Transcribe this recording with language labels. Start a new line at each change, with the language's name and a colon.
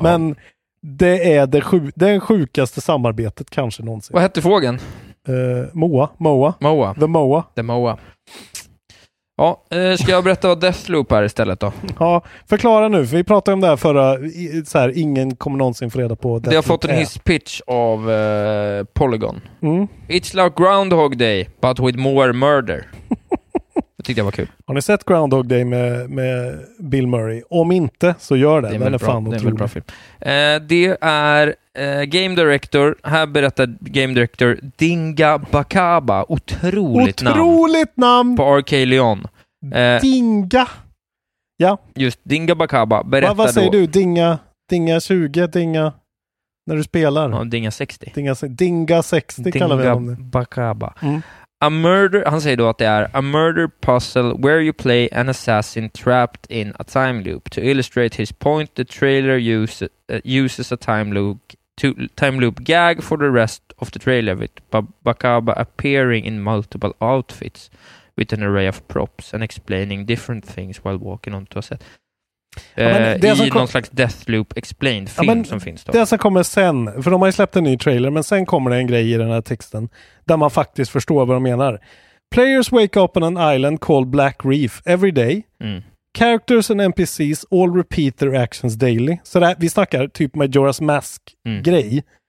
Swedish: Men det är det sjukaste samarbetet kanske någonsin. Vad heter fågeln? Moa. The Moa. The Moa. Ja, ska jag berätta vad Deathloop är istället då? Ja, förklara nu, för vi pratade om det här förra, så här, ingen kommer någonsin få reda på Deathloop. Det har fått en hiss pitch av Polygon. Mm.
English: It's like Groundhog Day, but with more murder.
Swedish: Det tyckte jag var kul. Har ni sett Groundhog Day med Bill Murray? Om inte, så gör det. Det är, väldigt är, fan bra. Det är en väldigt bra film. Det är Game Director. Här berättar Game Director Dinga Bakaba. Otroligt namn! På RK Leon. Dinga! Ja. Just, Dinga Bakaba. Berätta vad säger då, du? Dinga 20, Dinga... När du spelar. Ja, Dinga 60. Dinga 60 Dinga kallar vi honom. Dinga Bakaba. Mm.
English: A murder,
Swedish: han säger då att det är
English: a murder puzzle where you play an assassin trapped in a time loop. To illustrate his point, the trailer uses a time loop gag for the rest of the trailer with Bakaba appearing in multiple outfits with an array of props and explaining different things while walking onto a set.
Swedish: Någon slags Death Loop Explained film som finns då. Det som kommer sen, för de har ju släppt en ny trailer, men sen kommer det en grej i den här texten där man faktiskt förstår vad de menar.
English: Players wake up on an island called Black Reef every day. Characters and NPCs all repeat their actions daily.
Swedish: Så där, vi snackar typ Majora's Mask-grej.